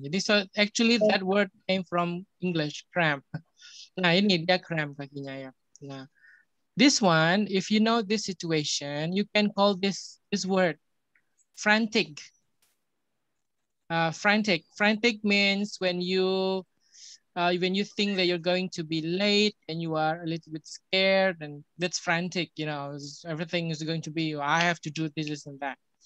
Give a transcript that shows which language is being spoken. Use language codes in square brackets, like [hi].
[en] Jadi so actually that word came from English, cram. [id] Nah, ini dia cram kakinya ya. Nah. [en] This one, if you know this situation, you can call this word frantic. Frantic means when you when you think that you're going to be late and you are a little bit scared and that's frantic, you know, everything is going to be, I have to do this and that.